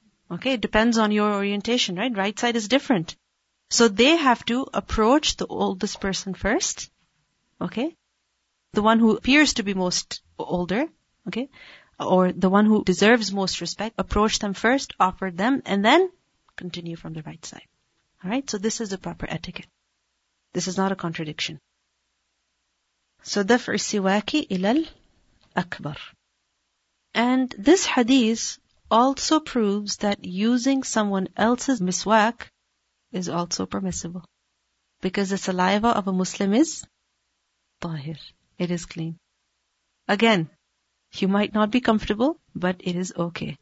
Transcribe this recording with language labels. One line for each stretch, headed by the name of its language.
English: Okay, it depends on your orientation, right? Right side is different. So they have to approach the oldest person first. Okay? The one who appears to be most older, okay, or the one who deserves most respect, approach them first, offer them, and then continue from the right side. All right, so this is the proper etiquette. This is not a contradiction.
Arabic: So, دفع السواك إلى الأكبر.
English: And this hadith also proves that using someone else's miswak is also permissible. Because the saliva of a Muslim is tahir. It is clean. Again, you might not be comfortable, but it is okay.